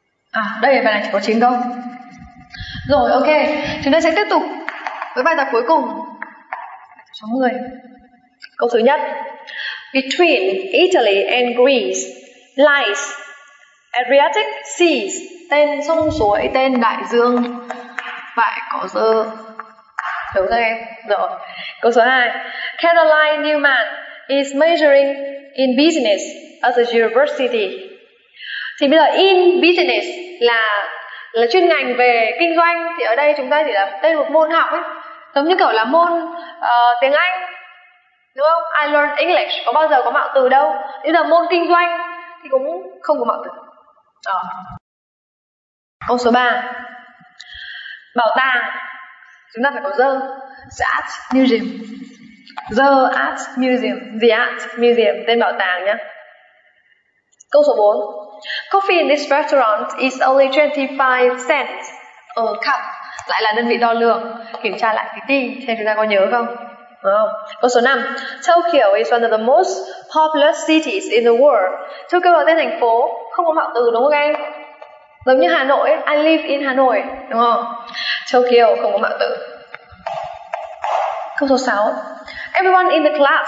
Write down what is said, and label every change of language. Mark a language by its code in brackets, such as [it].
[vi] À, đây bài này chỉ có 9 câu. Rồi, ok. Chúng ta sẽ tiếp tục với bài tập cuối cùng. Câu số 10. Câu thứ nhất. [en] Between Italy and Greece lies Adriatic Seas. [vi] Tên sông suối, tên đại dương. Phải có dơ. Đúng rồi em. Rồi. Câu số 2. [en] Caroline Newman is majoring in business at the university. [vi] Thì bây giờ in business là chuyên ngành về kinh doanh. Thì ở đây chúng ta chỉ là tên một môn học ấy, giống như kiểu là môn tiếng Anh, đúng không? [en] I learned English [vi] có bao giờ có mạo từ đâu. Bây giờ môn kinh doanh thì cũng không có mạo từ. Câu số 3. Bảo tàng chúng ta phải có the art museum. The art museum, the art museum, tên bảo tàng nhá. Câu số 4. [en] Coffee in this restaurant is only 25 cents a cup. [vi] Lại là đơn vị đo lường. Kiểm tra lại cái tí xem chúng ta có nhớ không. Câu số 5. [en] Tokyo is one of the most populous cities in the world. [vi] Tokyo là tên thành phố, không có mạo từ đúng không em? Giống như Hà Nội, [en] I live in Hà Nội, [vi] đúng không? Tokyo không có mạo từ. Câu số 6. [en] Everyone in the class